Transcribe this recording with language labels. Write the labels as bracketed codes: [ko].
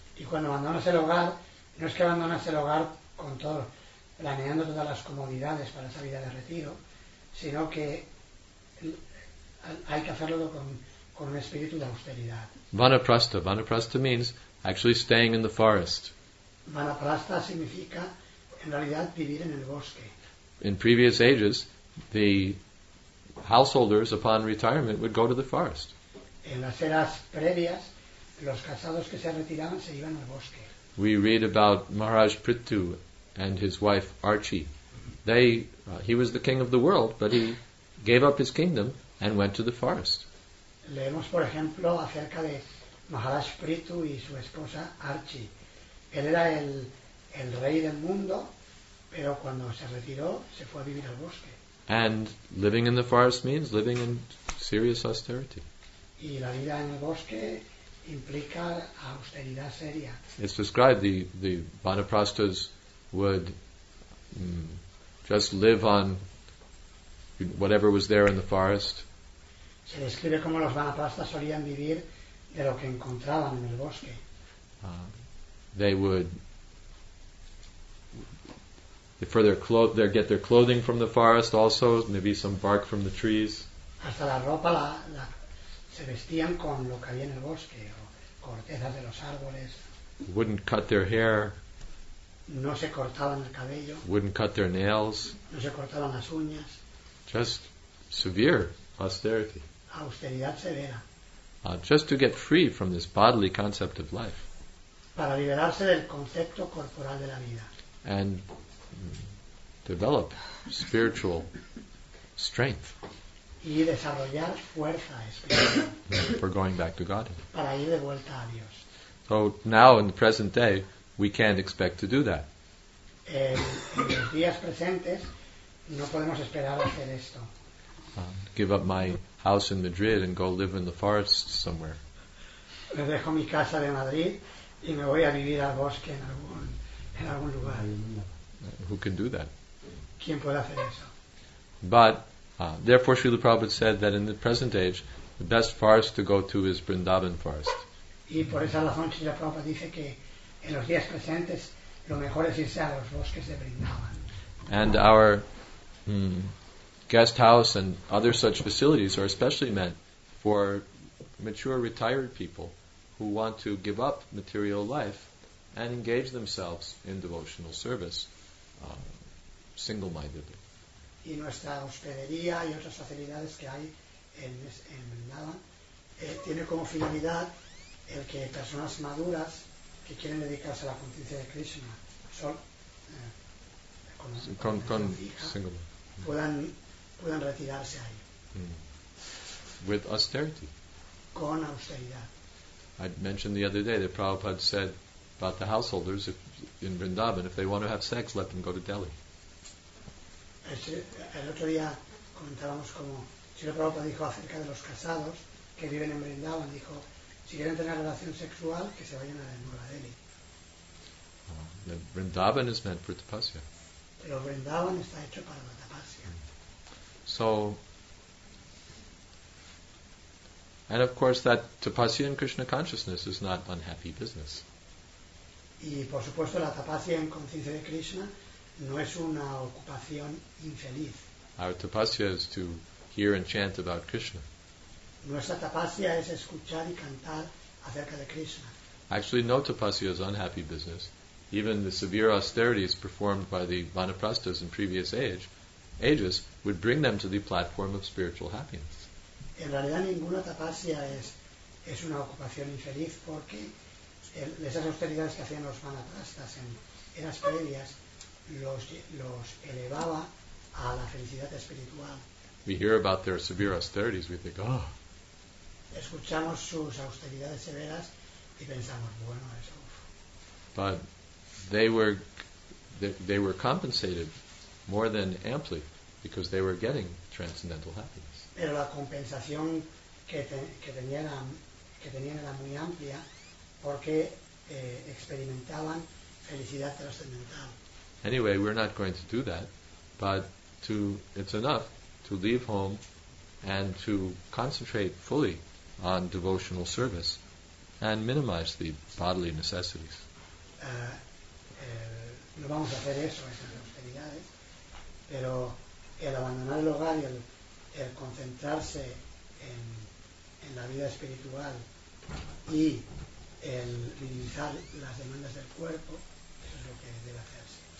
[es] Y cuando abandonas el hogar, no es que abandonas el hogar con todo, planeando todas las comodidades para esa vida de retiro, sino que hay que hacerlo con un espíritu de austeridad. [en] Vanaprastha means actually staying in the forest. [es] Vanaprastha significa, en realidad, vivir en el bosque. [en] In previous ages, the householders, upon retirement, would go to the forest. [es] En las eras previas, los casados que se retiraban se iban al bosque. [en] We read about Maharaj Prithu and his wife Archie. He was the king of the world, but he gave up his kingdom and went to the forest. [es] Leemos, por ejemplo, acerca de Maharaj Prithu y su esposa Archie. Él era el rey del mundo, pero cuando se retiró, se fue a vivir al bosque. [en] And living in the forest means living in serious austerity. [es] Y la vida en el bosque implica austeridad seria. [en] It's described the vanaprastas would just live on whatever was there in the forest. [es] Se describe como los vanaprastas solían vivir de lo que encontraban en el bosque. [en] They would for their they get their clothing from the forest also, maybe some bark from the trees. [es] Hasta la ropa se vestían con lo que había en el bosque, o cortezas de los árboles. [en] Wouldn't cut their hair. [es] No se cortaban el cabello. [en] Wouldn't cut their nails. [es] No se cortaban las uñas. [en] Just severe austerity. [es] Austeridad severa. [en] Just to get free from this bodily concept of life. [es] Para liberarse del concepto corporal de la vida. [en] And develop spiritual strength. [es] Y desarrollar fuerza espiritual. [en] For going back to God. [es] Para ir de vuelta a Dios. [en] So now in the present day, we can't expect to do that. [es] En los días presentes, no podemos esperar hacer esto. [en] Give up my house in Madrid and go live in the forest somewhere. [es] Me dejo mi casa de Madrid y me voy a vivir al bosque en algún lugar. [en] Who can do that? [es] ¿Quién puede hacer eso? [en] But therefore, Srila Prabhupada said that in the present age, the best forest to go to is Vrindavan forest. [es] Y por esa razón, Srila Prabhupada dice que en los días presentes, lo mejor es irse a los bosques de Vrindavan. [en] And our guest house and other such facilities are especially meant for mature retired people who want to give up material life and engage themselves in devotional service single-mindedly. [es] Y nuestra hospedería y otras facilidades que hay en Vrindavan tiene como finalidad el que personas maduras que quieren dedicarse a la conciencia de Krishna puedan retirarse ahí. [en] With austerity. [es] Con austeridad. [en] I mentioned the other day that Prabhupada said about the householders in Vrindavan, if they want to have sex, let them go to Delhi. [es] El otro día comentábamos como Srila Prabhupada dijo acerca de los casados que viven en Vrindavan, dijo, si quieren tener relación sexual, que se vayan a Nueva Delhi. [en] Vrindavan is meant for tapasya. [es] Pero Vrindavan está hecho para la tapasya. [en] So, and of course that tapasya in Krishna consciousness is not unhappy business. [es] Y por supuesto la tapasya en conciencia de Krishna no es una ocupación infeliz. [en] Our tapasya is to hear and chant about Krishna. [es] Nuestra tapasya es escuchar y cantar acerca de Krishna. [en] Actually, no tapasya is unhappy business. Even the severe austerities performed by the vanaprastas in previous ages would bring them to the platform of spiritual happiness. [es] En realidad ninguna tapasya es una ocupación infeliz porque esas austeridades que hacían los vanaprastas en eras previas los elevaba a la felicidad espiritual. [en] We hear about their severe austerities, we think, oh. [es] Escuchamos sus austeridades severas y pensamos, bueno, eso. [en] But they were compensated more than amply because they were getting transcendental happiness. [es] Pero la compensación que tenían era muy amplia porque experimentaban felicidad trascendental. [en] Anyway, we're not going to do that, but it's enough to leave home and to concentrate fully on devotional service and minimize the bodily necessities. [es] No vamos a hacer eso, esas austeridades, pero el abandonar el hogar y el concentrarse en la vida espiritual y el minimizar las demandas del cuerpo, eso es lo que debe hacerse.